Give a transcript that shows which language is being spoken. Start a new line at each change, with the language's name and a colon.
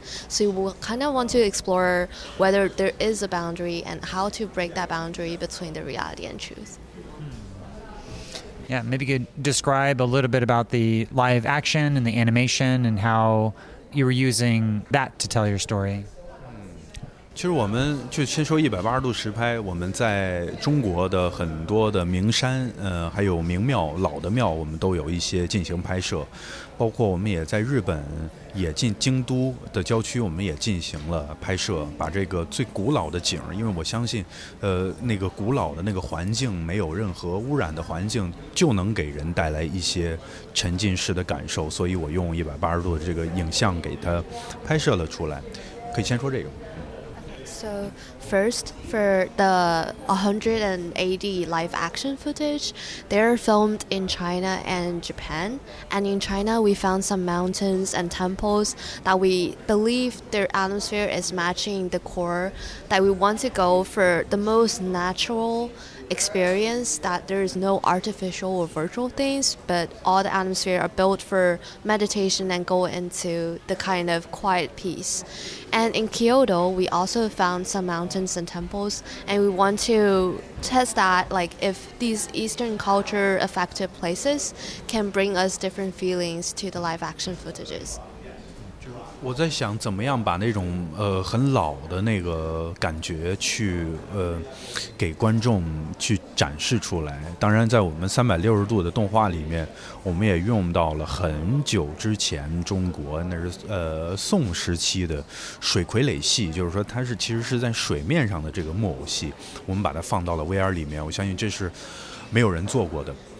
English: So we kind of want to explore whether there is a boundary and how to break that boundary between the reality and truth. Yeah, maybe you could describe a little bit about the live action and the animation and how you were using that to tell your story.
Chinese: 其实我们就先说180度实拍，我们在中国的很多的名山还有名庙，老的庙我们都有一些进行拍摄，包括我们也在日本也进京都的郊区，我们也进行了拍摄，把这个最古老的景，因为我相信那个古老的那个环境，没有任何污染的环境，就能给人带来一些沉浸式的感受，所以我用180度的这个影像给它拍摄了出来。可以先说这个。
English: So first, for the 180 live action footage, they're filmed in China and Japan. And in China, we found some mountains and temples that we believe their atmosphere is matching the core, that we want to go for the most natural experience, that there is no artificial or virtual things, but all the atmosphere are built for meditation and go into the kind of quiet peace. And in Kyoto, we also found some mountains and temples, and we want to test that, like if these Eastern culture affected places can bring us different feelings to the live action footages.
Chinese: 我在想怎么样把那种很老的那个感觉去给观众去展示出来。当然在我们360度的动画里面，我们也用到了很久之前中国，那是宋时期的水傀儡戏，就是说它是其实是在水面上的这个木偶戏，我们把它放到了 VR 里面，我相信这是没有人做过的。